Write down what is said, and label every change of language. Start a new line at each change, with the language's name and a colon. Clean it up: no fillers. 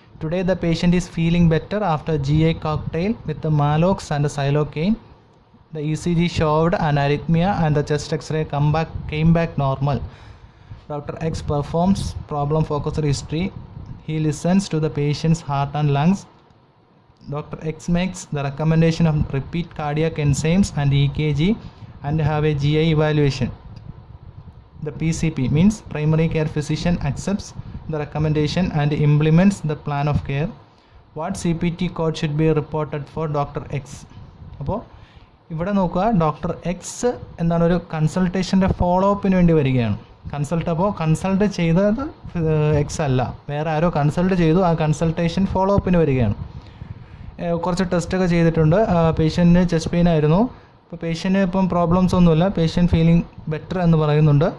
English: Today the patient is feeling better after GI cocktail with Maalox and Xylocaine. The ECG showed an arrhythmia and the chest X-ray came back normal. Doctor X performs problem focused history. He listens to the patient's heart and lungs. Dr. X makes the recommendation of repeat cardiac enzymes and EKG and have a GI evaluation. The PCP means primary care physician accepts the recommendation and implements the plan of care. What CPT code should be reported for Dr. X?
Malayalam: അപ്പോൾ ഇവിടെ നോക്കുക, doctor X എന്താണ് ഒരു കൺസൾട്ടേഷൻ്റെ follow അപ്പിന് വേണ്ടി വരികയാണ്. Consult അപ്പോൾ consult ചെയ്തത് X അല്ല, വേറെ ആരോ കൺസൾട്ട് ചെയ്തു, ആ കൺസൾട്ടേഷൻ ഫോളോ അപ്പിന് വരികയാണ്. കുറച്ച് ടെസ്റ്റൊക്കെ ചെയ്തിട്ടുണ്ട്, പേഷ്യൻറ്റിന് ചെസ്റ്റ് പെയിൻ ആയിരുന്നു, ഇപ്പോൾ പേഷ്യൻറ്റിന് ഇപ്പം പ്രോബ്ലംസ് ഒന്നുമില്ല,
English: patient feeling better
Malayalam: എന്ന് പറയുന്നുണ്ട്.